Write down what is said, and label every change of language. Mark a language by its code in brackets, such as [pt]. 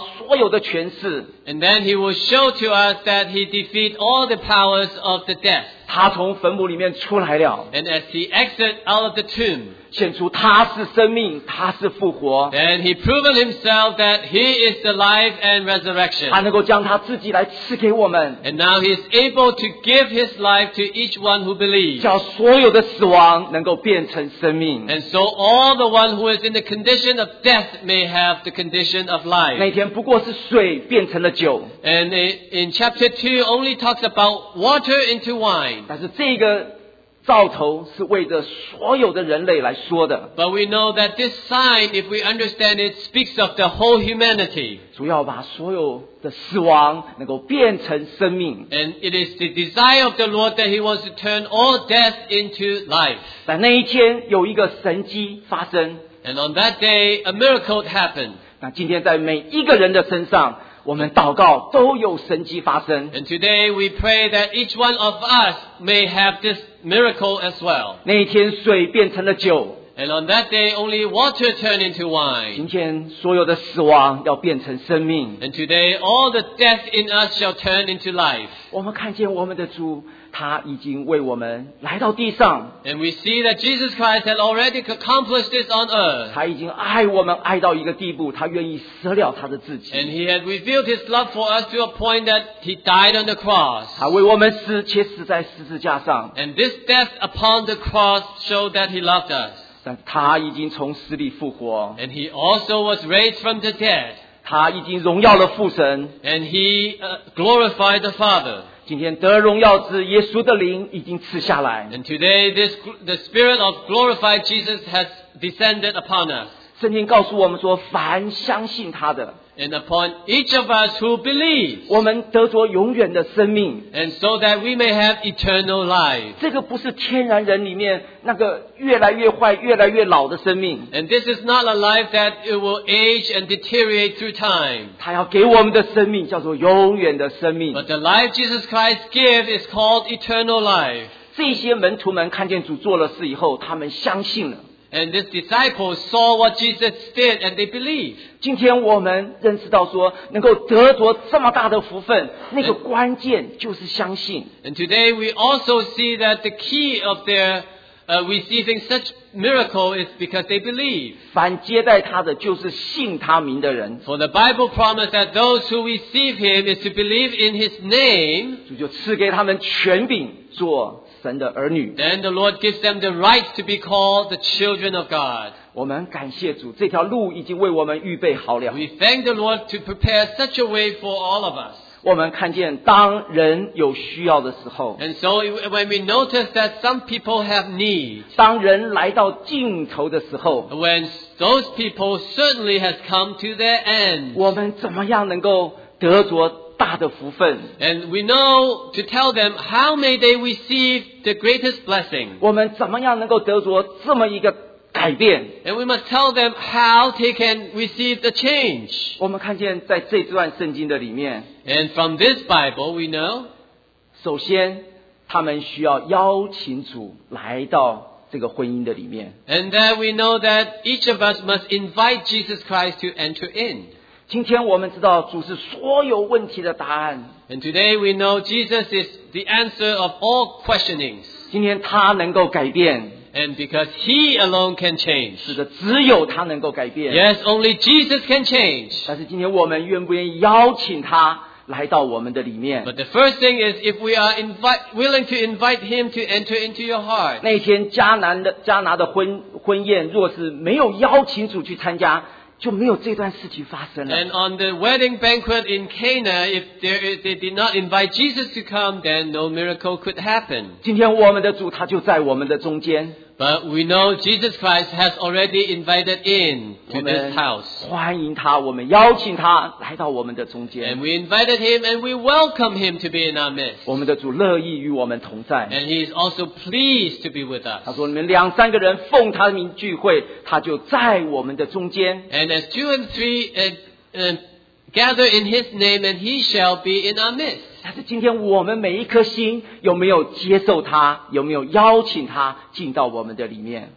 [en] And then He will show to us that He defeated all the powers of the death. And as He exits out of the tomb, [zh] 显出他是生命, 他是复活, [en] and He proven Himself that He is the life and resurrection. [zh] 他能够将他自己来赐给我们, [en] and now He is able to give His life to each one who believes. [zh] 叫所有的死亡能够变成生命, [en] and so all the one who is in the condition of death may have the condition of life. [zh] 那天不过是水变成了酒, [en] and in chapter 2 only talks about water into wine. [zh] 但是这个 兆头是为着所有的人类来说的。 [en] But we know that this sign, if we understand it, speaks of the whole humanity. [zh] 主要把所有的死亡能够变成生命。 [en] And it is the desire of the Lord that He wants to turn all death into life. [zh] 但那一天有一个神迹发生。 [en] And on that day, a miracle happened. [zh] 那今天在每一个人的身上, 我们祷告都有神迹发生。 [en] And today we pray that each one of us may have this miracle as well. [zh] 那一天水变成了酒。 [en] And on that day only water turned into wine. [zh] 今天所有的死亡要变成生命。 [en] And today all the death in us shall turn into life. [zh] 我们看见我们的主, 祂已经为我们来到地上。 [en] And we see that Jesus Christ had already accomplished this on earth. [zh] 祂已经爱我们爱到一个地步, 祂愿意舍了祂的自己。 [en] And He had revealed His love for us to a point that He died on the cross. [zh] 祂为我们死, 且死在十字架上。 [en] And this death upon the cross showed that He loved us. [zh] 祂已经从死里复活。 [en] And He also was raised from the dead. [zh] 祂已经荣耀了父神。 [en] And He glorified the Father. [zh] 今天得荣耀之耶稣的灵已经赐下来。 [en] And today this, the Spirit of glorified Jesus has descended upon us. [zh] 圣经告诉我们说, 凡相信他的, [en] and upon each of us who believe, [zh] 我们得着永远的生命, [en] and so that we may have eternal life. [zh] 这个不是天然人里面那个越来越坏越来越老的生命, [en] and this is not a life that it will age and deteriorate through time. [zh] 祂要给我们的生命叫做永远的生命, [en] but the life Jesus Christ gives is called eternal life. [zh] 这些门徒们看见主做了事以后, 他们相信了。 [en] And this disciple saw what Jesus did and they believed. [zh] 今天我们认识到说, 能够得着这么大的福分, 那个关键就是相信。 [en] And today we also see that the key of their receiving such miracle is because they believe. [zh] 凡接待他的就是信他名的人。 [en] For the Bible promised that those who receive Him is to believe in His name. [zh] 主就赐给他们权柄做。 [en] Then the Lord gives them the right to be called the children of God. [zh] 我们感谢主, 这条路已经为我们预备好了。 [en] We thank the Lord to prepare such a way for all of us. [zh] 我们看见当人有需要的时候, [en] and so when we notice that some people have need, [zh] 当人来到尽头的时候, [en] when those people certainly have come to their end, [zh] 我们怎么样能够得着 大的福分, [en] and we know to tell them how may they receive the greatest blessing. [zh] 我们怎么样能够得着这么一个改变? [en] And we must tell them how they can receive the change. [zh] 我们看见在这段圣经的里面, [en] and from this Bible we know, [zh] 首先, 他们需要邀请主来到这个婚姻的里面。 [en] And then we know that each of us must invite Jesus Christ to enter in. [zh] 今天我们知道主是所有问题的答案。 [en] And today we know Jesus is the answer of all questionings. [zh] 今天他能够改变。 [en] And because He alone can change. [zh] 是的, 只有他能够改变。 [en] Yes, only Jesus can change. [zh] 但是今天我们愿不愿意邀请他, 来到我们的里面。 [en] But the first thing is if we are willing to invite Him to enter into your heart. [zh] 那天迦拿的婚宴若是没有邀请主去参加, 就没有这段事情发生了。 [en] And on the wedding banquet in Cana, if they did not invite Jesus to come, then no miracle could happen. [zh] 今天我们的主, 祂就在我们的中间。 [en] But we know Jesus Christ has already invited in to this house. [zh] 欢迎他, 我们邀请他, [en] and we invited him and we welcome him to be in our midst. [zh] 我们的主乐意与我们同在, [en] and he is also pleased to be with us. [zh] 他说你们两三个人奉他的名聚会, [en] and as 2 and 3 gather in his name and he shall be in our midst. [zh] 但是今天我们每一颗心有没有接受他，有没有邀请他进到我们的里面？